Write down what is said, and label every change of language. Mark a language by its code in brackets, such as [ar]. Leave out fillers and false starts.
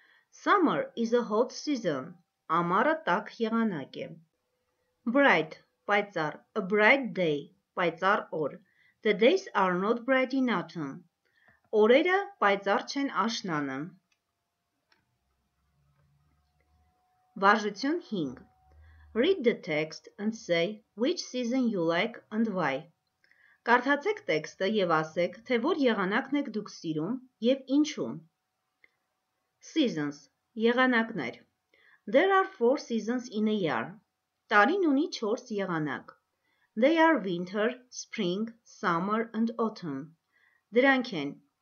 [en] Summer is a hot season, [hy] ամառը տաք եղանակ է. [en] Bright, պայծառ, a bright day, [hy] պայծառ օր. [en] The days are not bright in autumn. [hy] Օրերը պայծառ չեն աշնանը. Վարժություն 5. [en] Read the text and say which season you like and why. [hy] Կարդացեք տեքստը եւ ասեք, թե որ եղանակն եք դուք սիրում եւ ինչու։ [en] Seasons. [hy] Եղանակներ. [en] There are 4 seasons in a year. [hy] Տարին ունի 4 եղանակ. [en] They are winter, spring, summer and autumn. [hy] Դրանք են.